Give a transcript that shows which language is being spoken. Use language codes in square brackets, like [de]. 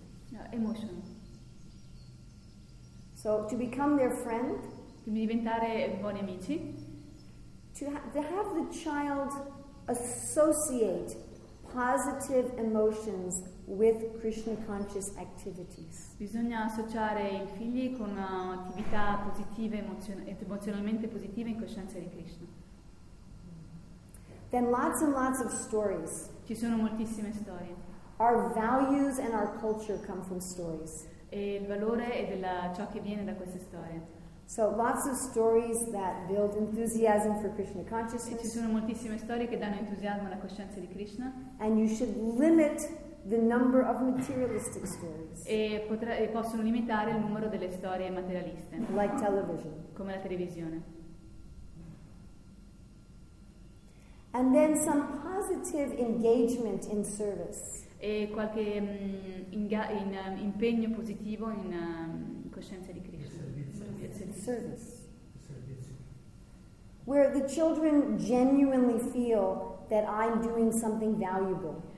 [en] no, emotional. So, to become their friend? [it] To diventare buoni amici? [en] To have the child associate positive emotions with Krishna conscious activities. [it] Bisogna associare i figli con attività positive emozionalmente positive in coscienza di Krishna. [en] Then lots and lots of stories. [it] Ci sono moltissime storie. [en] Our values and our culture come from stories. [it] E il valore è della ciò che viene da queste storie. [en] So lots of stories that build enthusiasm for Krishna consciousness. [it] E ci sono moltissime storie che danno entusiasmo alla coscienza di Krishna. [en] And you should limit the number of materialistic stories. [it] E possono limitare il numero delle storie materialiste. [en] Like television. [it] Come la televisione. [en] And then some positive engagement in service. [it] E qualche impegno positivo in coscienza di Krishna. [en] Service. Where the children genuinely feel that I'm doing something valuable.